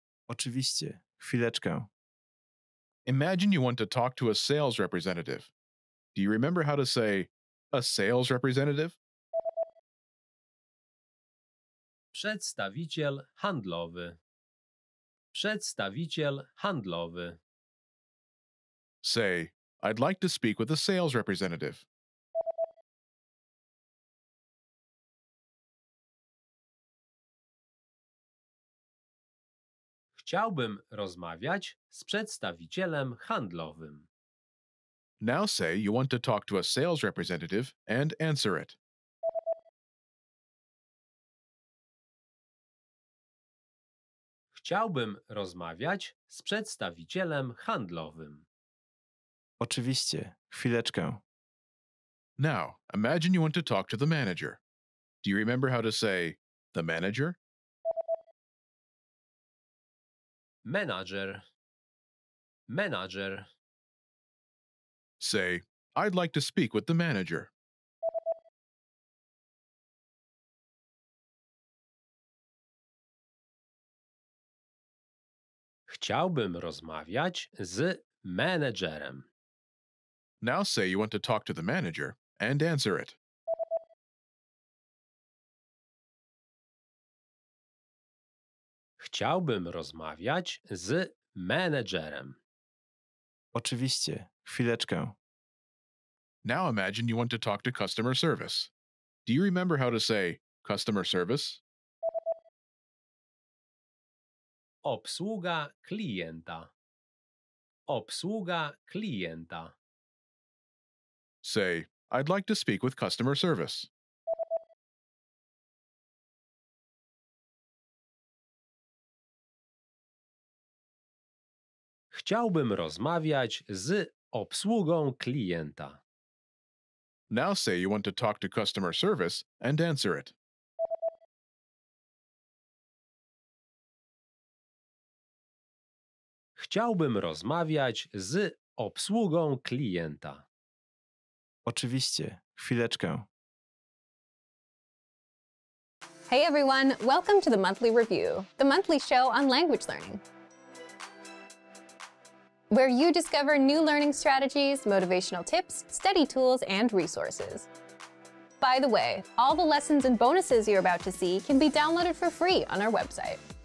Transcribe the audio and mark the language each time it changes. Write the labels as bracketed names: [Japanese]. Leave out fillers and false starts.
[Polish] Oczywiście. Chwileczkę. [English] Imagine you want to talk to a sales representative. Do you remember how to say a sales representative? [Polish] Przedstawiciel handlowy. Przedstawiciel handlowy. [English] Say, I'd like to speak with a sales representative. [Polish] Chciałbym rozmawiać z przedstawicielem handlowym. [English] Now say you want to talk to a sales representative and answer it. [Polish] Chciałbym rozmawiać z przedstawicielem handlowym. Oczywiście. Chwileczkę. [English] Now, imagine you want to talk to the manager. Do you remember how to say the manager? [Polish] Manager. Manager. [English] Say, I'd like to speak with the manager. [Polish] Chciałbym rozmawiać z menedżerem. [English] Now say you want to talk to the manager and answer it. [Polish] Chciałbym rozmawiać z menedżerem. Oczywiście, chwileczkę. [English] Now imagine you want to talk to customer service. Do you remember how to say customer service? [Polish] Obsługa klienta. Obsługa klienta. [English] Say, I'd like to speak with customer service. [Polish] Chciałbym rozmawiać z obsługą klienta. [English] Now say you want to talk to customer service and answer it. [Polish] Chciałbym rozmawiać z obsługą klienta. Oczywiście, chwileczkę. [English] Hey everyone, welcome to the Monthly Review, the monthly show on language learning, where you discover new learning strategies, motivational tips, study tools, and resources. By the way, all the lessons and bonuses you're about to see can be downloaded for free on our website.